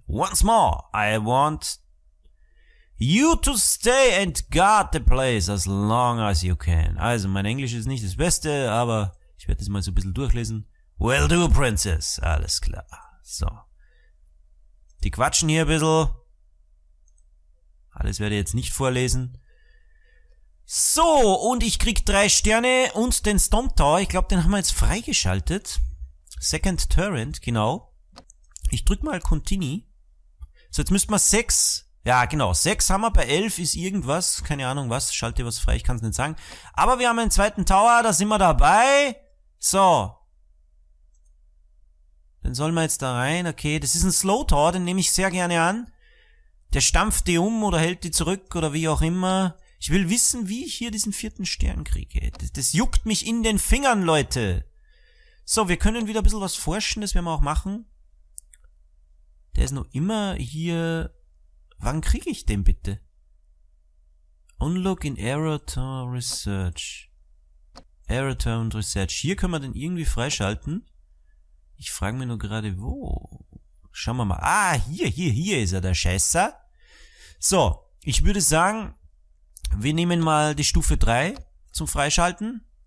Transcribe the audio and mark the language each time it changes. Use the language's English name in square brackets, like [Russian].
[English] Once more, I want you to stay and guard the place as long as you can. [German] Also, mein Englisch ist nicht das Beste, aber ich werde das mal so ein bisschen durchlesen. [English] Will do, Princess. [German] Alles klar. So. Die quatschen hier ein bisschen. Alles werde ich jetzt nicht vorlesen. So, und ich krieg 3 Sterne und den Storm Tower. Ich glaube, den haben wir jetzt freigeschaltet. Second Turret, genau. Ich drück mal Continue. So, jetzt müssten wir 6... Ja, genau, 6 haben wir, bei 11 ist irgendwas. Keine Ahnung was, schalte was frei, ich kann es nicht sagen. Aber wir haben einen zweiten Tower, da sind wir dabei. So. Dann sollen wir jetzt da rein. Okay, das ist ein Slow Tower, den nehme ich sehr gerne an. Der stampft die um oder hält die zurück oder wie auch immer. Ich will wissen, wie ich hier diesen 4. Stern kriege. Das juckt mich in den Fingern, Leute. So, wir können wieder ein bisschen was forschen, das werden wir auch machen. Der ist noch immer hier. Wann kriege ich den bitte? [English] Unlock in Aerotown Research. Aerotown Research. [German] Hier können wir den irgendwie freischalten. Ich frage mich nur gerade, wo. Schauen wir mal. Ah, hier ist er, der Scheißer. So, ich würde sagen, wir nehmen mal die Stufe 3 zum Freischalten.